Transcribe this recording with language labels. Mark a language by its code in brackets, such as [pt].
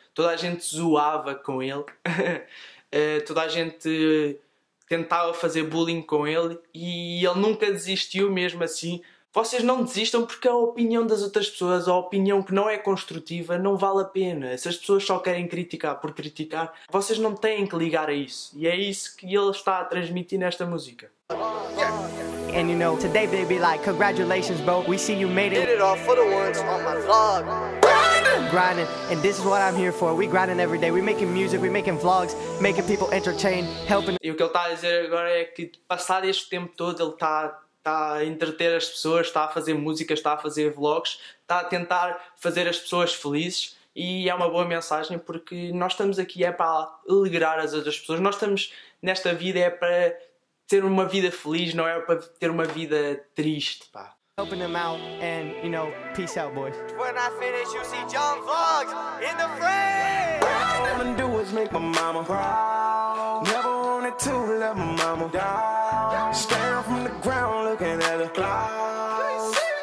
[pt] Toda a gente zoava com ele. Toda a gente tentava fazer bullying com ele e ele nunca desistiu mesmo assim. Vocês não desistam porque a opinião das outras pessoas, a opinião que não é construtiva, não vale a pena. Se as pessoas só querem criticar por criticar, vocês não têm que ligar a isso. E é isso que ele está a transmitir nesta música. [en] And you know, today they be like, congratulations bro, we see you made it. Did it all for the ones on my vlog. Grinding, and this is what I'm here for. We grinding every day, we making music, we making vlogs, making people entertain, helping. [pt] E o que ele está a dizer agora é que passado este tempo todo ele está... Está a entreter as pessoas, está a fazer músicas, está a fazer vlogs, está a tentar fazer as pessoas felizes e é uma boa mensagem porque nós estamos aqui é para alegrar as outras pessoas. Nós estamos nesta vida é para ter uma vida feliz, não é para ter uma vida triste, pá. [en] Helping them out and, you know, peace out, boys. When I finish, you see John Vlogs in the frame. All I wanna do is make my mama proud. Never wanted to let my mama down. Staring from the ground, looking at the clouds.